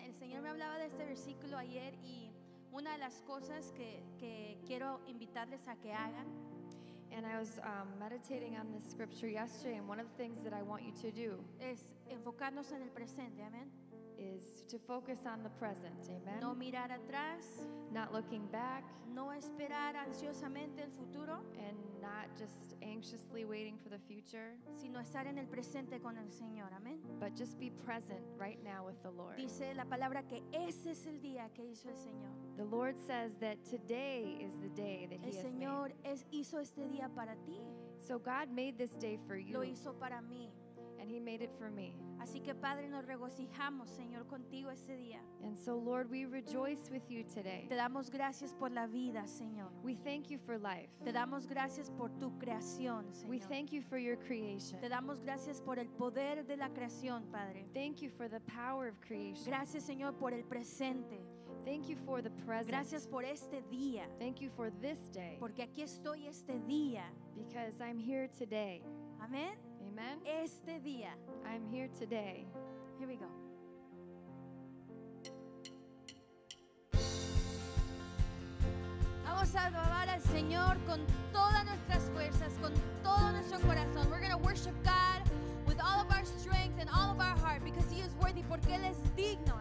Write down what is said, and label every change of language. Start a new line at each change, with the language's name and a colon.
Spanish: El Señor me hablaba de este versículo ayer y una de las cosas que quiero invitarles a que hagan.
English: And I was meditating on this scripture yesterday, and one of the things that I want you to do
Spanish: es enfocarnos en el presente, amen.
English: Is to focus on the present, amen.
Spanish: No mirar atrás,
English: not looking back,
Spanish: no esperar ansiosamente el futuro,
English: and not just anxiously waiting for the future,
Spanish: sino estar en el presente con el Señor, amen.
English: But just be present right now with the Lord.
Spanish: Dice la palabra que ese es el día que hizo el Señor.
English: The Lord says that today is the day that He
Spanish: el Señor
English: has made.
Spanish: Hizo este día para ti.
English: So God made this day for you.
Spanish: Lo hizo para mí.
English: And He made it for me.
Spanish: Así que, Padre, nos regocijamos, Señor, contigo este día.
English: And so, Lord, we rejoice with you today.
Spanish: Te damos gracias por la vida, Señor.
English: We thank you for life.
Spanish: Te damos gracias por tu creación, Señor.
English: We thank you for your creation.
Spanish: Te damos gracias por el poder de la creación, Padre.
English: Thank you for the power of creation.
Spanish: Gracias, Señor, por el presente.
English: Thank you for the present.
Spanish: Gracias por este día.
English: Thank you for this day.
Spanish: Porque aquí estoy este día.
English: Because I'm here today.
Spanish: Amén.
English: Amen.
Spanish: Este día.
English: I'm here today. Here we go.
Spanish: Vamos a alabar al Señor con todas nuestras fuerzas, con todo nuestro corazón.
English: We're going to worship God with all of our strength and all of our heart because He is worthy,
Spanish: porque Él es digno.